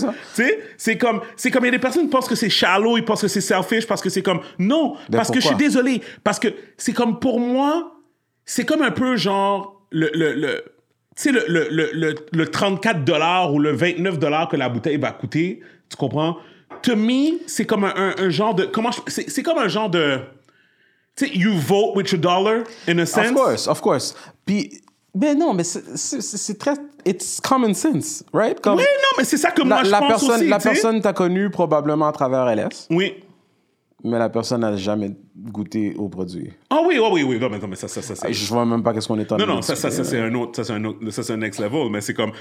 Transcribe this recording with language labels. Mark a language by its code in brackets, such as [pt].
[fr] Tu sais, c'est comme, il y a des personnes qui pensent que c'est shallow, ils pensent que c'est selfish parce que c'est comme, non, parce que je suis désolé. Parce que c'est comme, pour moi, c'est comme un peu genre le 34$ ou le 29$ que la bouteille va coûter, tu comprends? [en] To me, [fr] c'est comme un genre de... c'est comme un genre de... Tu sais, [en] you vote with your dollar, in a sense? Of course. [fr] Puis, ben non, mais c'est très... [en] It's common sense, right? [fr] Comme, oui, non, mais c'est ça que moi, je pense personne, aussi, la personne t'a connu probablement à travers LS. Oui. Mais la personne n'a jamais goûté au produit. Ah oui. Non, mais ça c'est... Je vois même pas qu'est-ce qu'on est en train de... Non, ça, c'est un autre, ça, c'est un next level, mais c'est comme...